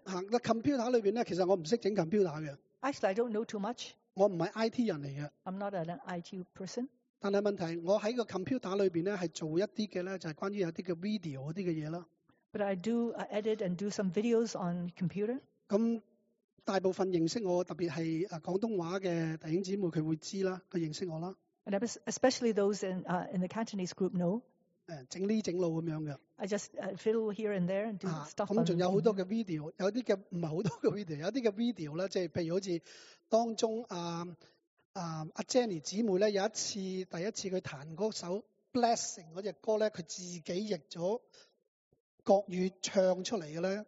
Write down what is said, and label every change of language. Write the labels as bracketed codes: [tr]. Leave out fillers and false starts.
[yue] 吓，个 computer 里边咧，其实我唔识整 computer 嘅。 [en] Actually, I don't know too much. [yue] 我不是 IT 人嚟嘅。 [en] I'm not an IT person. [yue] 但系问题，我喺个 computer 里边咧，系做一啲嘅咧，就系关于有啲嘅 video 嗰啲嘅嘢啦。 [en] But I do edit and do some videos on computer. [yue] 咁大部分认识我，特别系广东话嘅弟兄姊妹，佢会知啦，佢认识我啦。 [en] And especially those in the Cantonese group know. [yue] 整呢整路咁样嘅。 [en] I just fiddle here and there and do stuff. [yue] 咁仲有好多嘅 video， 有啲嘅唔系好多嘅 video， 有啲嘅 video 咧，即系譬如好似。当中阿 Jenny 姊妹咧，有一次第一次佢弹嗰首 Blessing 嗰只歌咧，佢自己译咗国语唱出嚟嘅咧，